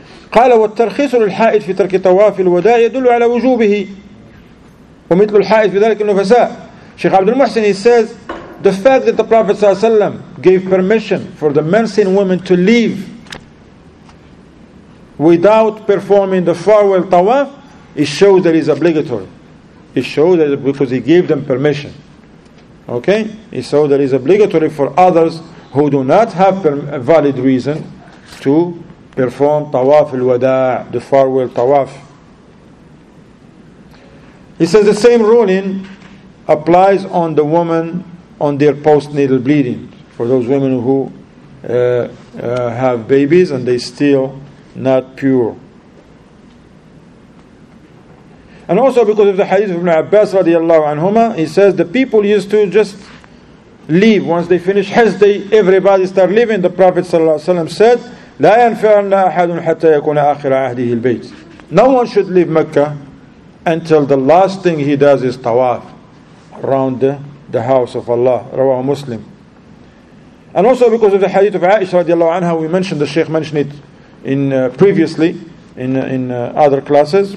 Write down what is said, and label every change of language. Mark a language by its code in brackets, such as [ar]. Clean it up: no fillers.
[ar] قال والترخيص للحائض في ترك طواف الوداع يدل على وجوبه ومثل الحائض بذلك النفساء. [en] شيخ عبد المحسن, he says the fact that the Prophet ﷺ gave permission for the menstruating women to leave without performing the farewell tawaf, it shows that it's obligatory. It shows that because he gave them permission. Okay? It shows that it's obligatory for others who do not have a valid reason to perform tawaf al-wada', the farewell tawaf. He says the same ruling applies on the woman on their postnatal bleeding. For those women who have babies and they still not pure. And also because of the hadith of Ibn Abbas radiallahu anhuma, he says the people used to just leave. Once they finish hajj, everybody start leaving. The Prophet sallallahu alaihi wasallam said, [ar] لا ينفعنا أحد حتى يكون آخر عهده البيت. [en] No one should leave Mecca until the last thing he does is tawaf around the house of Allah. [ar] رواه مسلم. [en] And also because of the hadith of Aisha radiallahu anha, we mentioned, the Shaykh mentioned it in previously in other classes.